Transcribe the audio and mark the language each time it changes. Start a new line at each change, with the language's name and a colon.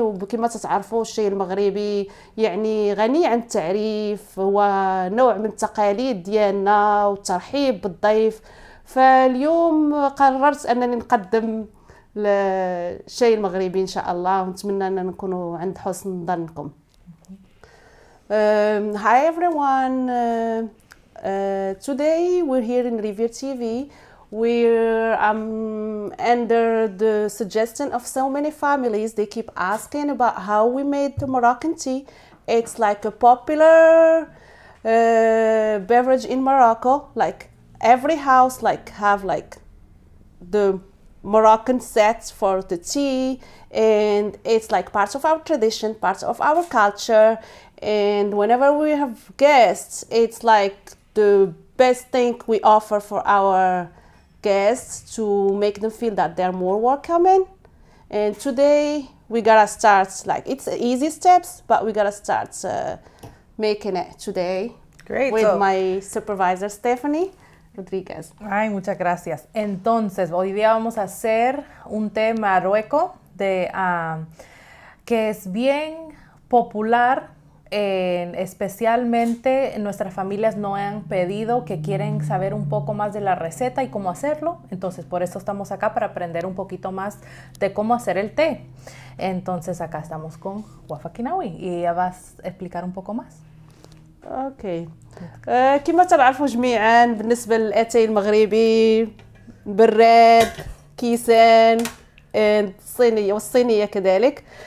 Arabic: وكما تتعرفوا الشاي المغربي يعني غني عن التعريف، هو نوع من التقاليد ديالنا والترحيب بالضيف. فاليوم قررت انني نقدم الشاي المغربي ان شاء الله، ونتمنى ان نكونوا عند حسن ظنكم.
English: Hi everyone, today we're here in Revere TV. We're under the suggestion of so many families. They keep asking about how we made the Moroccan tea. It's like a popular beverage in Morocco. Like every house have the Moroccan sets for the tea, and it's like part of our tradition, part of our culture. And whenever we have guests, it's like the best thing we offer for our guests to make them feel that they're more welcoming. And today we gotta start, it's easy steps, but we gotta start making it today. Great. With my supervisor, Estaphany Rodriguez.
Spanish: Ay, muchas gracias. Entonces, hoy día vamos a hacer un té marrueco que es bien popular. Especialmente nuestras familias nos han pedido que quieren saber un poco más de la receta y cómo hacerlo. Entonces, por eso estamos acá, para aprender un poquito más de cómo hacer el té. Entonces, acá estamos con Ouafa Kinaoui y ella va a explicar un poco más. Ok.
Arabic: كما تعرفوا جميعا بالنسبة للأتاي المغربي، براد، كيسان، الصينية والصينية كذلك.